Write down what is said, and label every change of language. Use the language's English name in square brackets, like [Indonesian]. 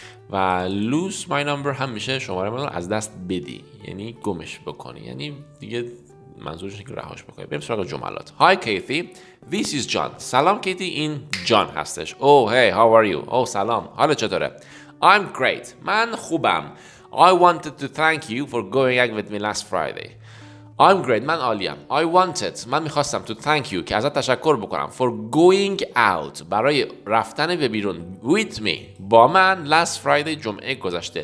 [Persian] و [English] lose my number [Persian] هم میشه شماره من رو از دست بدی، یعنی گمش بکنی، یعنی دیگه منظورش که رهاش بکنی. بریم سراغ جملات. [English] Hi Kathy, this is John. [Persian] سلام کیتی، این جان هستش. [English] Oh hey, how are you? [Persian] Oh سلام، حالا چطوره؟ [English] I'm great. [Persian] من خوبم. [English] I wanted to thank you for going out with me last Friday. I'm great. [Persian] من عالیم. [English] I wanted. [Persian] من میخواستم [English] to thank you، [Persian] که ازت تشکر بکنم، [English] for going out، [Persian] برای رفتن به بیرون، [English] with me، [Persian] با من، [English] last Friday، [Persian] جمعه گذشته.